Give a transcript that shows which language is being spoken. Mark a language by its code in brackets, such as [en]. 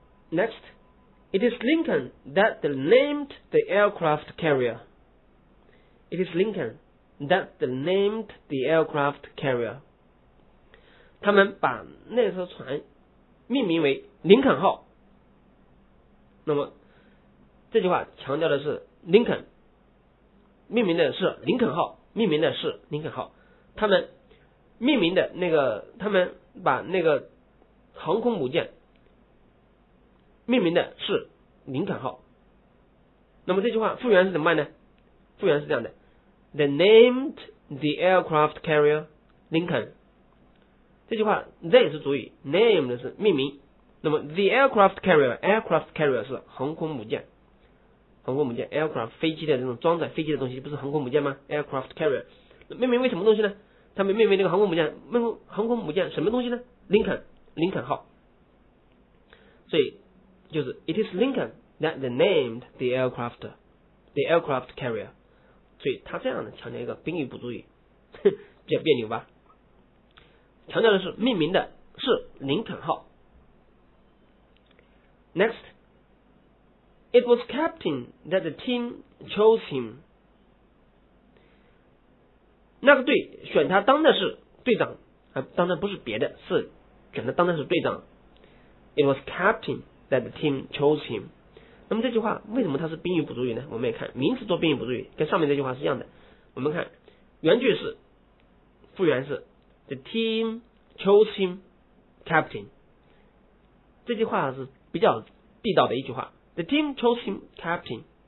[en] nextIt is Lincoln that named the aircraft carrier. It is Lincoln that they named the aircraft carrier. [zh] 他们把那艘船命名为林肯号。那么这句话强调的是林肯，命名的是林肯号，命名的是林肯号。他们命名的那个，他们把那个航空母舰命名的是林肯号。那么这句话复原是怎么办呢？复原是这样的， [en] They named the aircraft carrier Lincoln。 [zh] 这句话 they 是主语， named 是命名，那么 the aircraft carrier， aircraft carrier 是航空母舰，航空母舰 aircraft 飞机的这种装载飞机的东西，不是航空母舰吗？ aircraft carrier 命名为什么东西呢？他们命名那个航空母舰，航空母舰什么东西呢？ Lincoln， 林肯号。所以就是 [en] it is Lincoln that they named the aircraft carrier。 [zh] 所以他这样的强调一个宾语补助语，比较别扭吧，强调的是命名的是林肯号。 [en] Next， it was captain that the team chose him。 [zh] 那个队选他当的是队长，当的不是别的，是选他当的是队长。 [en] It was captain that the team chose him。 [zh] 那么这句话为什么它是宾语补助语呢？我们也看名词做宾语补助语跟上面这句话是一样的。我们看原句是，复原是 [en] the team chose him captain。 [zh] 这句话是比较地道的一句话， [en] the team chose him captain。